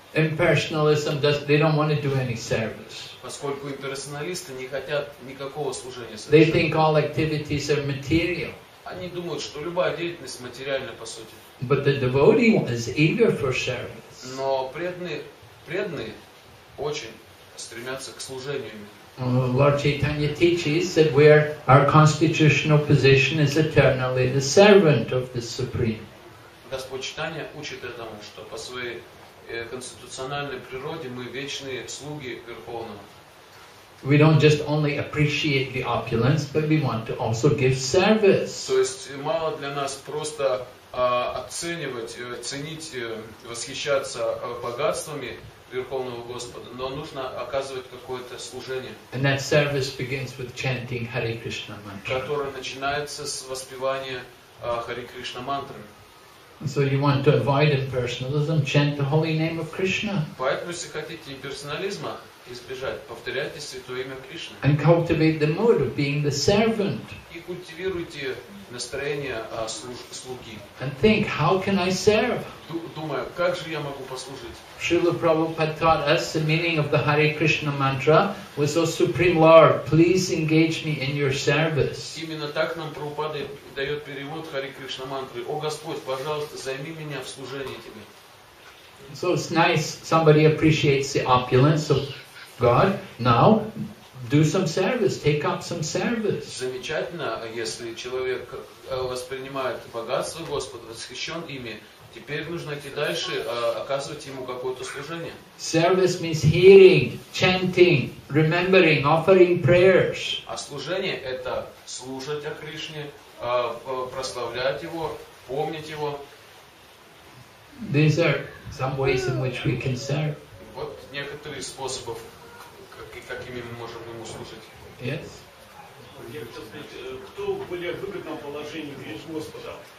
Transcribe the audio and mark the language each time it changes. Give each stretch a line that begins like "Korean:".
English: Impersonalism does, they don't want to do any service.
Russian: Поскольку имперсоналисты не хотят никакого служения.
English: They think all activities are material.
Russian: Они думают, что любая деятельность материальна по сути.
English: But the devotee is eager for service.
Russian: Но преданные очень стремятся к служению.
English: Lord Chaitanya teaches that where our constitutional position is eternally the servant of the Supreme.
Russian: Господь Чайтанья учит этому, что по своей конституциональной природе мы вечные слуги Верховного.
English: We don't just only appreciate the opulence, but we want to also give service.
Russian: То есть мало для нас просто оценивать, ценить, восхищаться богатствами Верховного Господа, но нужно оказывать какое-то служение.
English: And that service begins with chanting Hare Krishna mantra.
Russian: Которое начинается с воспевания Hare Krishna mantra.
English: So you want to avoid impersonalism, chant the holy name of Krishna.
Russian: Поэтому, если хотите имперсонализма избежать, повторяйте святое имя Кришны.
English: And cultivate the mood of being the servant.
Russian: И культивируйте настроение слуги.
English: And think, how can I serve?
Russian: Думаю, как же я могу послужить?
English: Srila Prabhupada taught us the meaning of the Hare Krishna mantra was, O Supreme Lord, please engage me in your service.
Russian: Именно так нам Прабхупада дает перевод Hare Krishna mantra. О Господь, пожалуйста, займи меня в служении Тебе.
English: So it's nice, somebody appreciates the opulence of God. Now, do some service, take up some service.
Russian: Замечательно, если человек воспринимает богатство Господа, восхищен ими, теперь нужно идти дальше, оказывать ему какое-то служение.
English: Service means hearing, chanting, remembering, offering prayers.
Russian: А служение – это слушать о Кришне, прославлять Его, помнить Его.
English: These are some ways in which we can serve.
Russian: Вот некоторые способы, какими мы можем ему служить.
English: Yes.
Russian: Я хотел сказать, кто в более выгодном положении перед Господом?